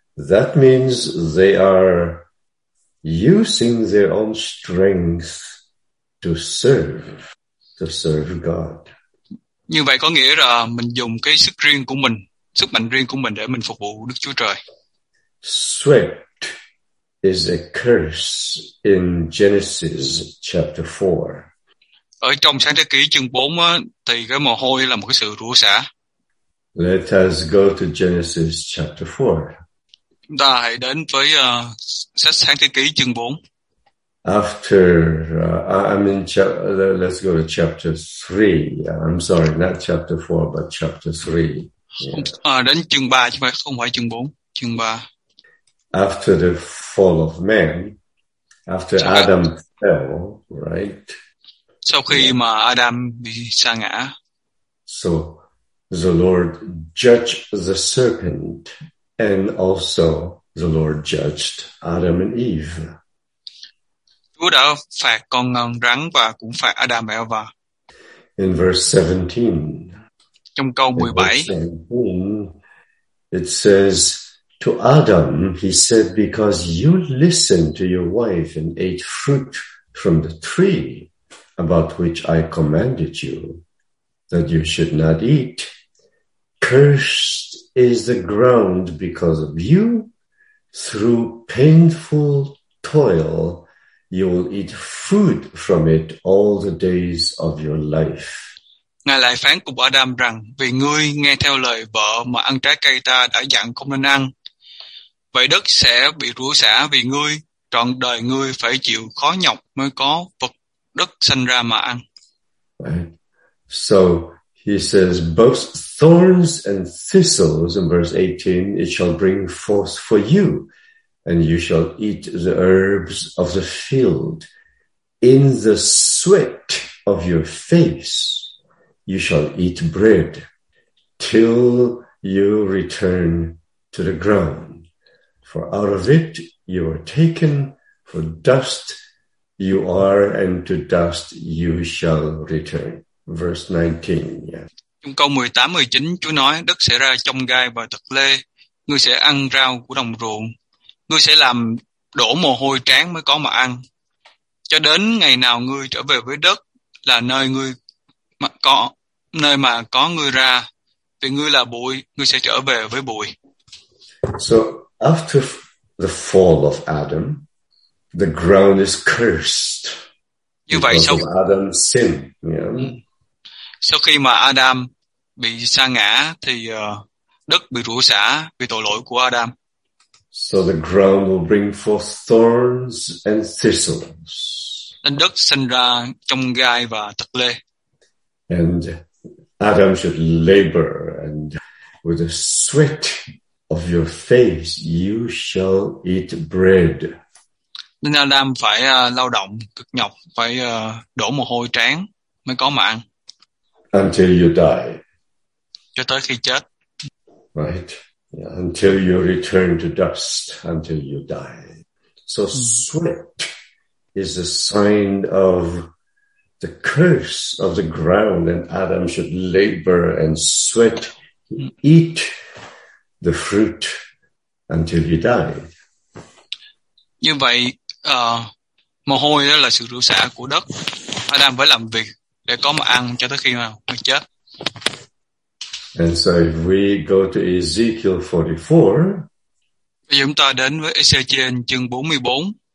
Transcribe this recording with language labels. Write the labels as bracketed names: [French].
[English] That means they are using their own strength to serve God. [Vietnamese] Như vậy có nghĩa là mình dùng cái sức riêng của mình, sức mạnh riêng của mình để mình phục vụ Đức Chúa Trời. [English] Sweat is a curse in Genesis chapter 4. [Vietnamese] Ở trong Sáng Thế Ký chương 4 á, thì cái mồ hôi là một cái sự rủa xả. [English] Let us go to Genesis chapter 4. [Vietnamese] Chúng ta hãy đến với sách Sáng Thế Ký chương 4. [English] Let's go to chapter 3. I'm sorry, not chapter 4, but chapter 3. [Vietnamese] Đến chương 3 chứ không phải chương 4, chương 3. [English] After the fall of man, after Adam fell, right? [Vietnamese] Sau khi mà Adam bị sa ngã. [English] So the Lord judged the serpent, and also the Lord judged Adam and Eve. [Vietnamese] Chúa đã phạt con rắn và cũng phạt Adam và Eva. [English] In verse 17, [Vietnamese] Trong câu [English] in verse 17, it says, to Adam, he said, because you listened to your wife and ate fruit from the tree about which I commanded you that you should not eat. Cursed is the ground because of you. Through painful toil, you will eat food from it all the days of your life. [Vietnamese] Ngài lại phán cùng Adam rằng vì ngươi nghe theo lời vợ mà ăn trái cây ta đã dặn không nên ăn, vậy đất sẽ bị rủa xả vì ngươi, trọn đời ngươi phải chịu khó nhọc mới có vật đất sanh ra mà ăn. [English] Right. So he says, both thorns and thistles in verse 18, it shall bring forth for you, and you shall eat the herbs of the field. In the sweat of your face, you shall eat bread till you return to the ground. For out of it you are taken, for dust you are, and to dust you shall return. Verse 19, [Vietnamese] Trong câu 18-19, Chúa nói, đất sẽ ra chông gai và thực lê, ngươi sẽ ăn rau của đồng ruộng, ngươi sẽ làm đổ mồ hôi trán mới có mà ăn, cho đến ngày nào ngươi trở về với đất là nơi mà có ngươi ra, vì ngươi là bụi, ngươi sẽ trở về với bụi. [English] So, after the fall of Adam, the ground is cursed [Vietnamese] Như vậy [English] because of Adam's sin. [Vietnamese] sau khi mà Adam bị sa ngã thì đất bị rủa xả vì tội lỗi của Adam. [English] So the ground will bring forth thorns and thistles. [Vietnamese] Nên đất sinh ra chông gai và thực lê. [English] And Adam should labor, and with the sweat of your face, you shall eat bread. [Vietnamese] Nên Adam phải lao động cực nhọc, phải đổ mồ hôi trán mới có mà ăn. [English] Until you die. [Vietnamese] Cho tới khi chết. [English] Right. until you return to dust, until you die. So sweat is a sign of the curse of the ground, and Adam should labor and sweat, eat the fruit until you die. [Vietnamese] Như vậy, mồ hôi đó là sự rủa xả của đất. Adam phải làm việc để có mà ăn cho tới khi mà mình chết. [English] And so if we go to Ezekiel 44, [Vietnamese] bây giờ chúng ta đến với Ezekiel chương 44.